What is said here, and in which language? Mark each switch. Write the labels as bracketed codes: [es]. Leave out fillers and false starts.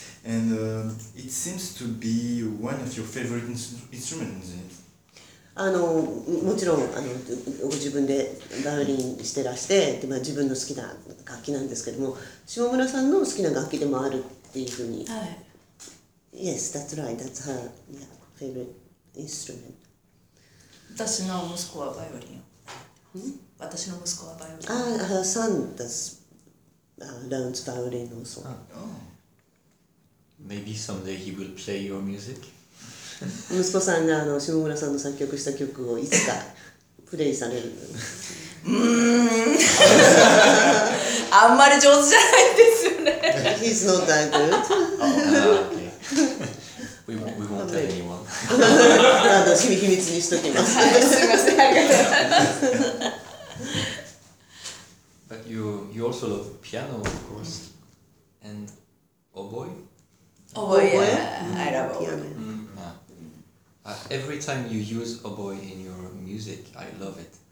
[en] And it seems to be one of your favorite instruments, isn't it? [ja] もちろんご自分でバイオリンしてらして、まあ、自分の好きな楽器なんですけども、Shimomura-san の好きな楽器でもあるっていうふうに。はい。 [en] Yes, that's right. That's her favorite instrument. [ja] 私の息子はバイオリン。私の息子はバイオリン。 [en] ああ、her son does learns violin also. Oh. Maybe someday he will play your music. [ja] 息子さんが下村さんの作曲した曲をいつかプレイされる。あんまり上手じゃないですよね。 [en] He's not that good. Oh, okay. We won't tell anyone. [ja] なんだ、秘密にしときます。はい、すみません。 [en] But you also love piano, of course, and oboe. Oboe, yeah, mm-hmm. I love oboe. Mm-hmm. Yeah. Every time you use oboe in your music, I love it.